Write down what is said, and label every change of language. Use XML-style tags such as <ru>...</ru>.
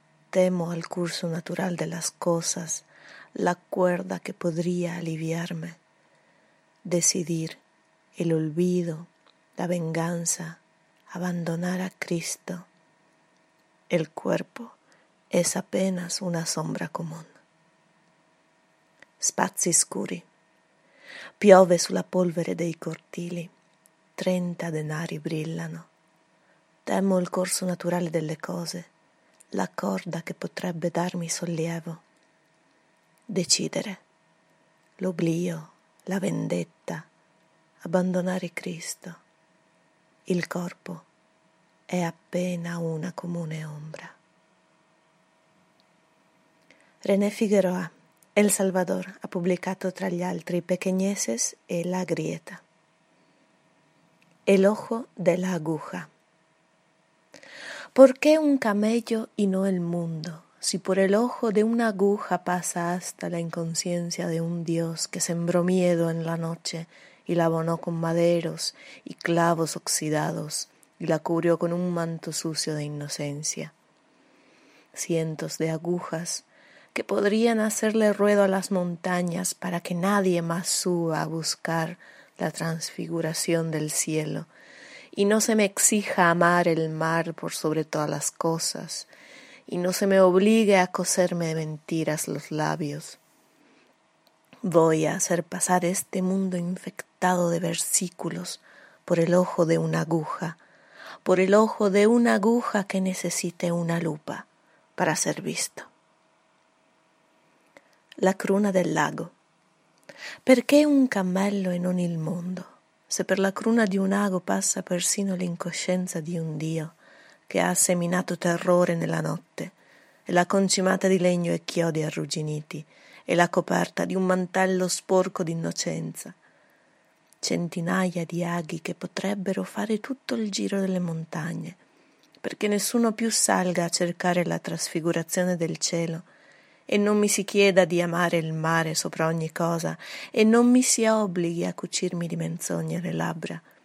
<es>Temo al curso natural de las cosas, la cuerda que podría aliviarme. Decidir el olvido, la venganza, abandonar a Cristo. El cuerpo es apenas una sombra común.</es> <it>Spazi scuri. Piove sulla polvere dei cortili. 30 denari brillano. Temo il corso naturale delle cose, la corda che potrebbe darmi sollievo. Decidere. L'oblio, la vendetta, abbandonare Cristo. Il corpo è appena una comune ombra. René Figueroa, El Salvador, ha pubblicato tra gli altri Pequeñeces e La grieta.</it> <es>El ojo de la aguja. ¿Por qué un camello y no el mundo, si por el ojo de una aguja pasa hasta la inconsciencia de un dios que sembró miedo en la noche y la abonó con maderos y clavos oxidados? Y la cubrió con un manto sucio de inocencia. Cientos de agujas que podrían hacerle ruedo a las montañas para que nadie más suba a buscar la transfiguración del cielo, y no se me exija amar el mar por sobre todas las cosas, y no se me obligue a coserme de mentiras los labios. Voy a hacer pasar este mundo infectado de versículos por el ojo de una aguja, por el ojo de una aguja que necesite una lupa para ser visto.</es> <it>La cruna del lago. ¿Por qué un camello y no el mundo? Se por la cruna de un ago pasa persino l'incoscienza di un dio que ha seminato terrore nella notte, e la concimata di legno e chiodi arrugginiti, e la coperta di un mantello sporco d'innocenza. Centinaia di aghi che potrebbero fare tutto il giro delle montagne, perché nessuno più salga a cercare la trasfigurazione del cielo, e non mi si chieda di amare il mare sopra ogni cosa, e non mi si obblighi a cucirmi di menzogne le labbra.</it>